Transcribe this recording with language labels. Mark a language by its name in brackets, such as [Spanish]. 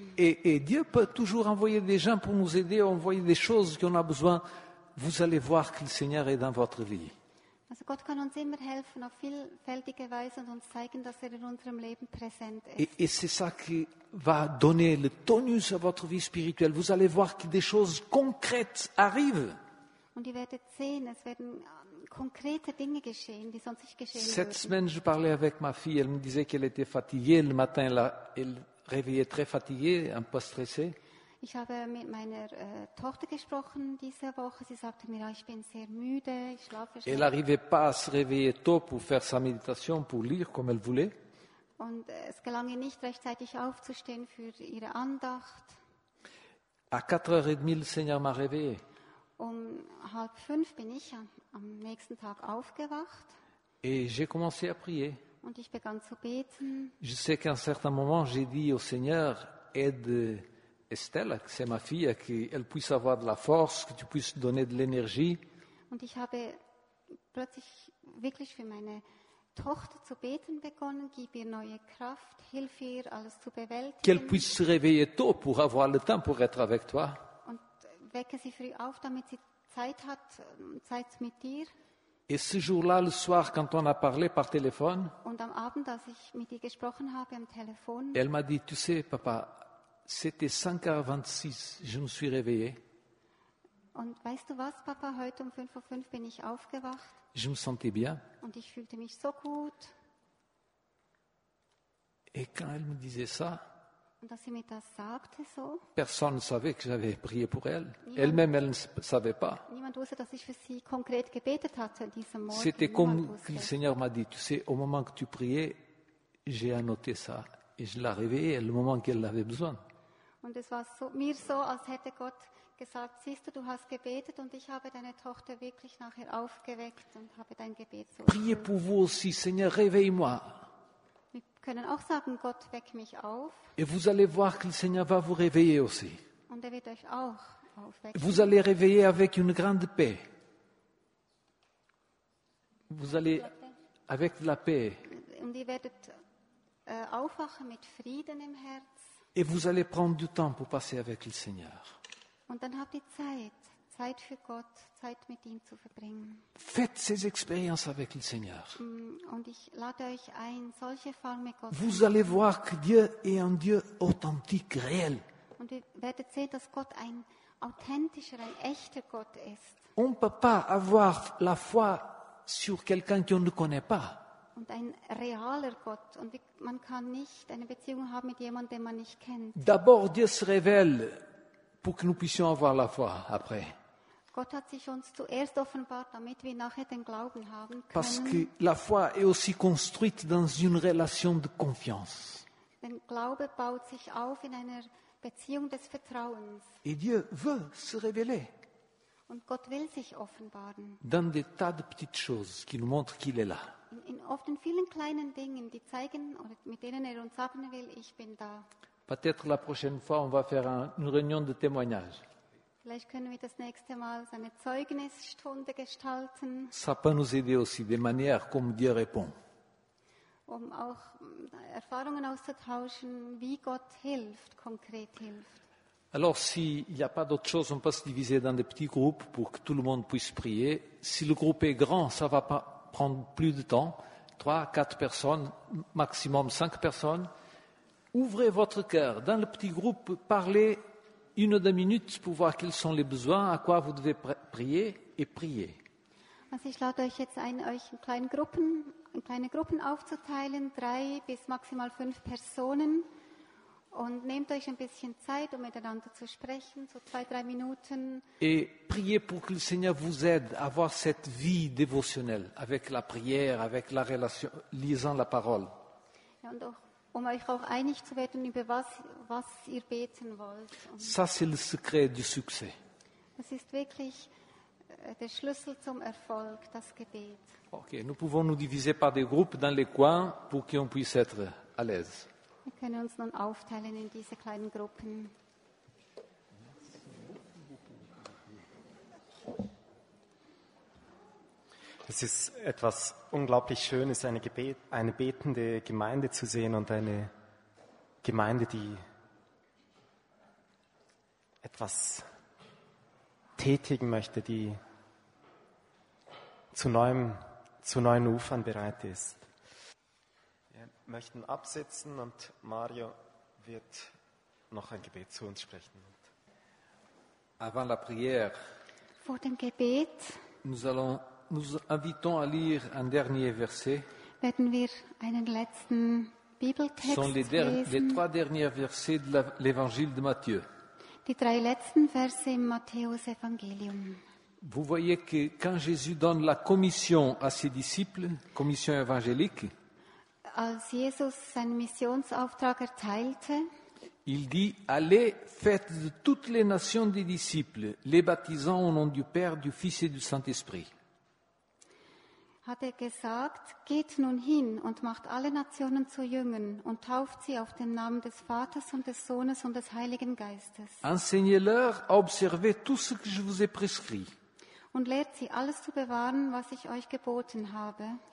[French] Et Dieu peut toujours envoyer des gens pour nous aider, envoyer des choses qu'on a besoin. Vous allez voir que le Seigneur est dans votre vie. [German] Also Gott kann uns immer helfen auf vielfältige Weise und uns zeigen, dass er in unserem Leben präsent ist. [French] Et c'est ça qui va donner le tonus à votre vie spirituelle. Vous allez voir que des choses concrètes arrivent. [German] Und ihr werdet sehen, es werden konkrete Dinge geschehen, die sonst nicht geschehen würden. [French] Cette semaine, je parlais avec ma fille. Elle me disait qu'elle était fatiguée le matin. Elle réveillait très fatiguée, un peu stressée. [German] Ich habe mit meiner Tochter gesprochen diese Woche. Sie sagte mir, ich bin sehr müde, ich schlafe schlecht. [French] Elle n'arrivait pas à se réveiller tôt pour faire sa méditation, pour lire comme elle voulait. [German] Und es gelang ihr nicht rechtzeitig aufzustehen für ihre Andacht. [French] À 4h30, le Seigneur m'a réveillé. [German] Um 4:30 bin ich am nächsten Tag aufgewacht. [French] Et j'ai commencé à prier. [German] Und ich begann zu beten. [French] Je sais qu'à un certain moment, j'ai dit au Seigneur, aide Estelle, c'est ma fille, qu'elle puisse avoir de la force, que tu puisses donner de l'énergie. [German] Und ich habe plötzlich wirklich für meine Tochter zu beten begonnen, gib ihr neue Kraft, hilf ihr, alles zu bewältigen. [French] Qu'elle puisse se réveiller tôt pour avoir le temps pour être avec toi. [German] Und wecke sie früh auf, damit sie Zeit hat, Zeit mit dir. [French] Et ce jour-là, le soir, quand on a parlé par téléphone, [German] und am Abend, als ich mit ihr gesprochen habe am Telefon, [French] elle m'a dit, tu sais, papa, c'était 5h26, je me suis réveillé. [German] Und weißt du was, Papa, heute um 5:05 bin ich aufgewacht. [French] Je me sentais bien. [German] Und ich fühlte mich so gut. [French] Et quand elle me disait ça, [German] und als sie mir das sagte, so, [French] personne ne savait que j'avais prié pour elle. [German] Niemand, [French] elle-même, elle ne savait pas. [German] Niemand wusste, dass ich für sie konkret gebetet hatte diesen Morgen. [French] C'était [German] niemand [French] comme [German] wusste. [French] Le Seigneur m'a dit, tu sais, au moment que tu priais, j'ai annoté ça. Et je l'ai réveillé le moment qu'elle avait besoin. [German] Und es war so, mir so, als hätte Gott gesagt, siehst du, du hast gebetet und ich habe deine Tochter wirklich nachher aufgeweckt und habe dein Gebet so. [French] Priez pour vous aussi, Seigneur, réveille-moi. [German] Wir können auch sagen, Gott, weck mich auf. [French] Et vous allez voir que le Seigneur va vous réveiller aussi. [German] Und er wird euch auch aufwecken. [French] Vous allez réveiller avec une grande paix. Vous allez avec la paix. [German] Und ihr werdet aufwachen mit Frieden im Herzen. [French] Et vous allez prendre du temps pour passer avec le Seigneur. [German] Und dann habt ihr Zeit für Gott, Zeit mit ihm zu verbringen. [French] Faites ces expériences avec le Seigneur. [German] Und ich lade euch ein, solche Erfahrungen mit Gott. [French] Vous allez voir que Dieu est un Dieu authentique, réel. [German] Und ihr werdet sehen, dass Gott ein authentischer, ein echter Gott ist. [French] On ne peut pas avoir la foi sur quelqu'un qu'on ne connaît pas. [German] Und ein realer Gott. Und man kann nicht eine Beziehung haben mit jemandem, den man nicht kennt. [French] D'abord, Dieu se révèle pour que nous puissions avoir la foi après. [German] Gott hat sich uns zuerst offenbart, damit wir nachher den Glauben haben können. [French] Parce que la foi est aussi construite dans une relation de confiance. [German] Denn Glaube baut sich auf in einer Beziehung des Vertrauens. [French] Et Dieu veut se révéler. [German] Und Gott will sich offenbaren. [French] Dans des tas de petites choses qui nous montrent qu'il est là. [German] In oft in vielen kleinen Dingen, die zeigen oder mit denen er uns sagen will, ich bin da. [French] Peut-être la prochaine fois, on va faire une réunion de témoignage. [German] Vielleicht können wir das nächste Mal eine Zeugnisstunde gestalten. [French] Ça peut nous aider aussi, des manières comme Dieu répond. [German] Um auch Erfahrungen auszutauschen, wie Gott hilft, konkret hilft. [French] Alors, s'il n'y a pas d'autre chose, on peut se diviser dans des petits groupes pour que tout le monde puisse prier. Si le groupe est grand, ça ne va pas prendre plus de temps. 3-4 personnes, maximum 5 personnes. Ouvrez votre cœur. Dans le petit groupe, parlez une ou deux minutes pour voir quels sont les besoins, à quoi vous devez prier et prier. [German] Ich lade euch jetzt ein, euch in kleine Gruppen aufzuteilen, 3 bis maximal 5 Personen. Und nehmt euch ein bisschen Zeit, um miteinander zu sprechen, so 2-3 Minuten. [French] Et priez pour que le Seigneur vous aide à avoir cette vie dévotionnelle avec la prière, avec la relation, lisant la parole. [German] Ja, und auch, um euch auch einig zu werden, über was ihr beten wollt. [French] Ça, c'est le secret du succès. [German] Das ist wirklich der Schlüssel zum Erfolg, das Gebet. [French] Okay, nous pouvons nous diviser par des groupes dans les coins pour qu'on puisse être à l'aise. [German] Wir können uns nun aufteilen in diese kleinen Gruppen. Es ist etwas unglaublich Schönes, eine betende Gemeinde zu sehen und eine Gemeinde, die etwas tätigen möchte, die zu neuen Ufern bereit ist. Möchten absitzen und Mario wird noch ein Gebet zu uns sprechen. [French] Avant la prière, [German] vor dem Gebet, [French] nous invitons à lire un dernier verset. [German] Werden wir einen letzten Bibeltext lesen. [French] Sont les 3 derniers versets de l'évangile de Matthieu. [German] Die 3 letzten Verse im Matthäus-Evangelium. [French] Vous voyez que quand Jésus donne la commission à ses disciples, commission évangélique, [German] als Jesus seinen Missionsauftrag erteilte, [French] il dit, allez, faites de toutes les nations des disciples, les baptisant au nom du Père, du Fils et du Saint-Esprit. [German] Hat er gesagt, geht nun hin und macht alle Nationen zu Jüngern und tauft sie auf den Namen des Vaters und des Sohnes und des Heiligen Geistes. [French] Enseignez-leur à observer tout ce que je vous ai prescrit. [German] Und lehrt sie alles zu bewahren, was ich euch geboten habe.